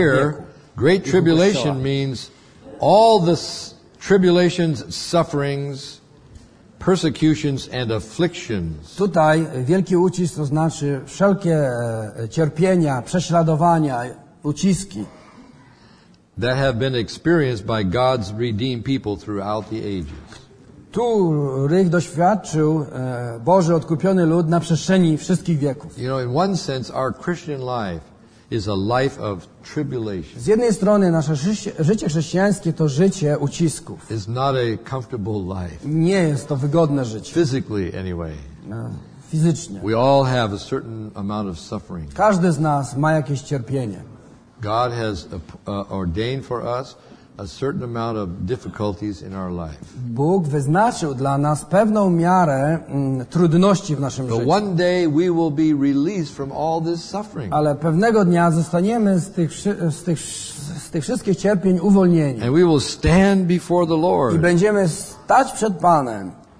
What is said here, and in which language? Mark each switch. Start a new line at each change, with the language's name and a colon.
English: Here, great tribulation means all the tribulations, sufferings, persecutions and afflictions.
Polish: Tutaj wielki ucisk to znaczy wszelkie cierpienia, prześladowania, uciski.
English: That have been experienced by God's redeemed people throughout the ages.
Polish: Których doświadczył Boży odkupiony lud na przestrzeni wszystkich wieków.
English: You know, in one sense, our Christian life is a life of tribulation.
Polish: Z jednej strony nasze życie chrześcijańskie to życie ucisków.
English: It's not a comfortable life.
Polish: Nie jest to wygodne życie.
English: Physically anyway.
Polish: Fizycznie.
English: We all have a certain amount of suffering.
Polish: Każdy z nas ma jakieś cierpienie.
English: God has ordained for us a certain amount of difficulties in our life.
Polish: Bóg wyznaczył dla nas pewną miarę trudności w naszym życiu.
English: But one day we will be released from all this suffering.
Polish: Ale pewnego dnia zostaniemy z tych wszystkich cierpień uwolnieni.
English: And we will stand before the Lord.
Polish: I będziemy stać przed Panem.